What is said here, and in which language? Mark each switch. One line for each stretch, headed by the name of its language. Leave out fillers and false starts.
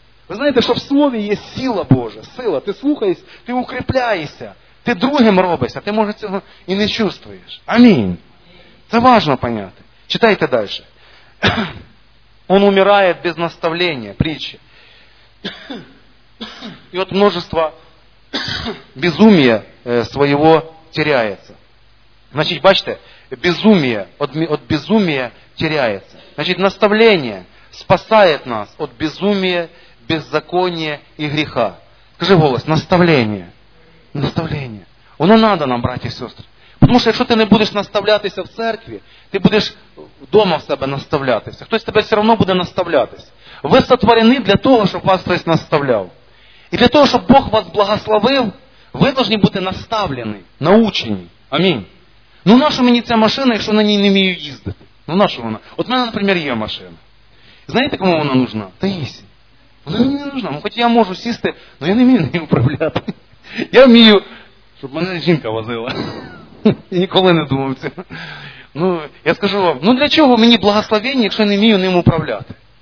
Ukrainian: Ви знаєте, що в слові є сила Божа, сила. Ти слухаєш, ти укріпляєшся, ти другим робиш, а ти, може, цього і не чувствуєш. Амінь. Це важливо зрозуміти. Читайте далі. Он умирає без наставлення, притчі. І от множество безум'я своєго теряється. Значить, бачите, безумие,
Russian: от безумия теряется. Значит, наставление спасает нас от безумия, беззакония и греха. Скажи голос, наставление. Наставление. Оно надо нам, братья и сестры. Потому что, если ты не будешь наставлятися в церкви, ты будешь дома в себе наставлятися. Кто-то тебе все равно будет наставлятися. Вы сотворены для того, чтобы вас кто-то наставлял. И для того, чтобы Бог вас благословил, вы должны быть наставлены, научены. Аминь.
Ukrainian: Ну на що мені ця машина, якщо на ній не вмію їздити? Ну на що вона? От в мене, наприклад, є машина. Знаєте, кому вона нужна? Таїсі. Вона мені не нужна. Хоч я можу сісти, але я не вмію нею управляти. Я вмію, щоб мене жінка возила. Ніколи не думав це. Ну, я скажу вам, ну для чого мені благословення, якщо я не вмію ним управляти?